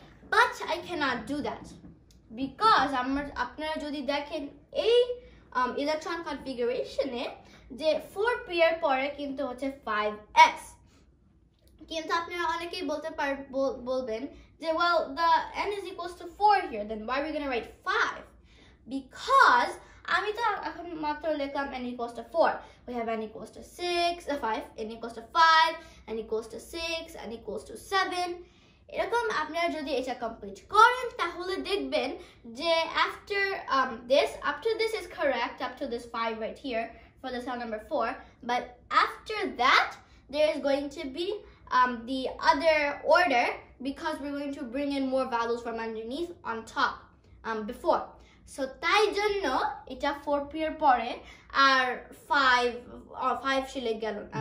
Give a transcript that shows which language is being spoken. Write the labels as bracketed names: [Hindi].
[English] But I cannot do that because [Bangla] আপনারা যদি দেখেন এই electron configuration এ যে 4 pair পরে কিন্তু হচ্ছে 5s. কিন্তু আপনারা অনেকেই বলতে বলবেন যে [English] well the n is equals to 4 here, then why are we going to write 5? [Bangla] Because আমি তো এখন মাত্র লিখলাম n equals to 4. [English] We have n equals to 6, 5, n equals to 5, n equals to 6, n equals to 7. [Bangla] এরকম আপনারা যদি এটা complete করেন তাহলে দেখবেন যে [English] after this, up to this is correct, up to this 5 right here for the cell number 4. But after that, there is going to be the other order because we're going to bring in more values from underneath on top before. [Bangla] So তাই জন্য এটা 4 pair পরে আর 5 চলে গেল.